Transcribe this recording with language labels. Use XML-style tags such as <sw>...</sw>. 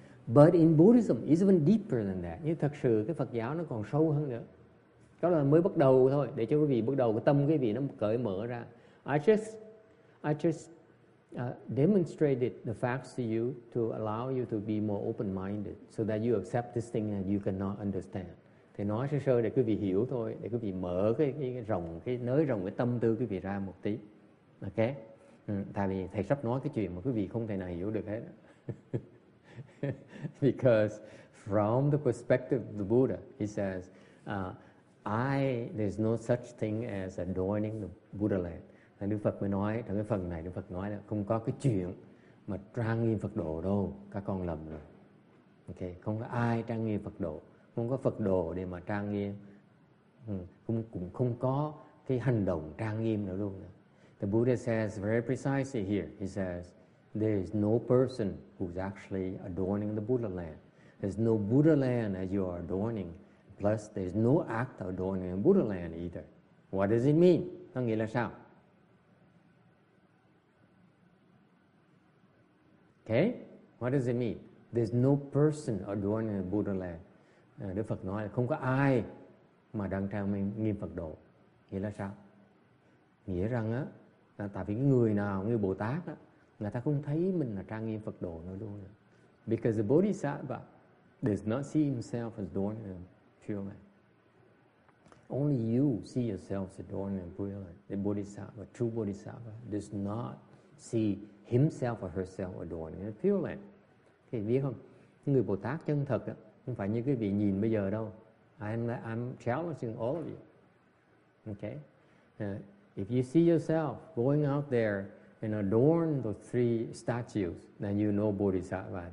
<en>But in Buddhism, it's even deeper than that.</en> <vi>Nhưng thật sự cái Phật giáo nó còn sâu hơn nữa. Đó là mới bắt đầu thôi, để cho quý vị bắt đầu cái tâm quý vị nó cởi mở ra.</vi> <en>I just demonstrated the facts to you to allow you to be more open-minded so that you accept this thing that you cannot understand.</en> <vi>Thì nói sơ sơ để quý vị hiểu thôi, để quý vị mở cái nới rộng cái tâm tư quý vị ra một tí. Ok? Ừ, tại vì thầy sắp nói cái chuyện mà quý vị không thể nào hiểu được hết.</vi> <en>Because from the perspective of the Buddha, he says, there's no such thing as adorning the Buddha land.</en> <vi>Thầy Đức Phật mới nói, trong cái phần này Đức Phật nói là không có cái chuyện mà trang nghiêm Phật độ đâu, các con lầm rồi. Ok, không có ai trang nghiêm Phật độ. Không có Phật đồ để mà trang nghiêm, cũng không có cái hành động trang nghiêm nữa luôn.</vi> <en>The Buddha says very precisely here, he says, there is no person who's actually adorning the Buddha land. There's no Buddha land as you are adorning. Plus, there's no act adorning the Buddha land either. What does it mean?</en> <vi>Nó nghĩa là sao?</vi> <en>Okay? What does it mean? There's no person adorning the Buddha land.</en> <vi>Đức Phật nói là không có ai mà đang trang nghiêm Phật độ. Nghĩa là sao? Nghĩa rằng á, là tại vì người nào, người Bồ Tát á, người ta không thấy mình là trang nghiêm Phật độ nữa luôn. Nữa.</vi> <en>Because the Bodhisattva does not see himself as adorning the pure land. Only you see yourself as adorning the pure land. The Bodhisattva, true Bodhisattva, does not see himself or herself adorning the pure land.</en> <vi>Thì biết không? Người Bồ Tát chân thật á, không phải như quý vị nhìn bây giờ đâu.</vi> <en>I'm challenging all of you. Okay? If you see yourself going out there and adorn those three statues, then you know Bodhisattva.</en>